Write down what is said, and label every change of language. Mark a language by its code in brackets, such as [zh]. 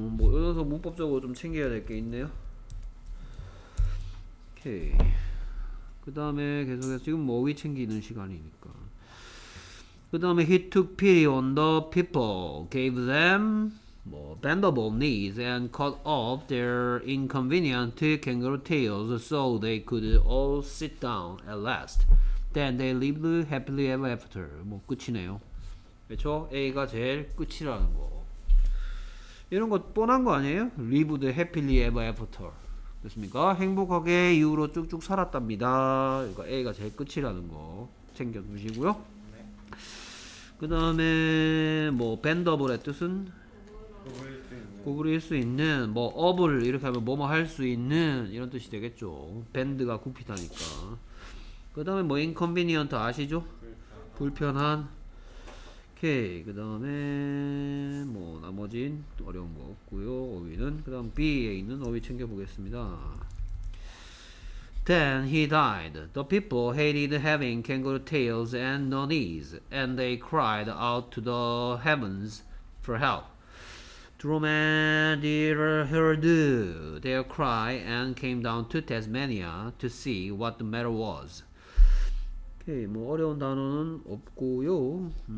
[ko] 그래서 문법적으로 좀 챙겨야 될 게 있네요. 오케이. 그 다음에 계속해서 지금 먹이 챙기는 시간이니까. [en] 그 다음에 he took pity on the people, gave them 뭐, bendable knees and cut off their inconvenient kangaroo tails so they could all sit down at last. Then they lived happily ever after. [ko] 뭐 끝이네요. 그렇죠? A가 제일 끝이라는 거. 이런 거 뻔한 거 아니에요? [en] Lived happily ever after. [ko] 됐습니까? 행복하게 이후로 쭉쭉 살았답니다. 그러니까 A가 제일 끝이라는 거 챙겨두시고요. 그 다음에 뭐 bendable의 뜻은? 구부릴 수 있는 뭐 업을 이렇게 하면 뭐뭐 할 수 있는 이런 뜻이 되겠죠. 밴드가 굽히다니까. 그 다음에 뭐 inconvenient 아시죠? 불편한. 오케이. 그 다음에 뭐 나머진 어려운 거 없고요. 어휘는 그 다음 B에 있는 어휘 챙겨보겠습니다. [en] Then he died. The people hated having kangaroo tails and no knees, and they cried out to the heavens for help. Dromedir heard their cry and came down to Tasmania to see what the matter was. [ko] 오케이, 뭐 어려운 단어는 없고요.